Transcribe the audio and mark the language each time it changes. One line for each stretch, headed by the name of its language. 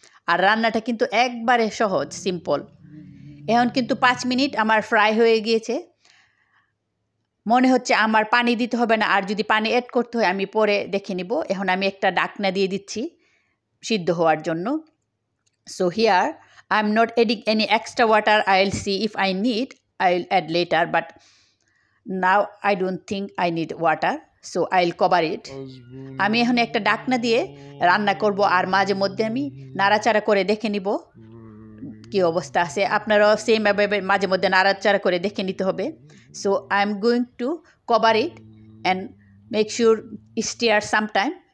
Bangla: আর রান্নাটা কিন্তু একবারে সহজ সিম্পল। এখন কিন্তু 5 মিনিট আমার ফ্রাই হয়ে গিয়েছে, মনে হচ্ছে আমার পানি দিতে হবে না, আর যদি পানি অ্যাড করতে হয় আমি পরে দেখে নিব। এখন আমি একটা ঢাকনা দিয়ে দিচ্ছি সিদ্ধ হওয়ার জন্য।
English: So here I'm not adding any extra water, I'll see if I need, I'll add later, but now I don't think I need water, so I'll cover it.
Bangla: আমি এখন একটা ঢাকনা দিয়ে রান্না করব, আর মাঝে মধ্যে আমি নাড়াচাড়া করে দেখে নিব কি অবস্থা আছে। আপনারাও সেম ভাবে মাঝে মধ্যে নাড়াচাড়া করে দেখে নিতে হবে।
English: So I am going to cover it and make sure steer sometime.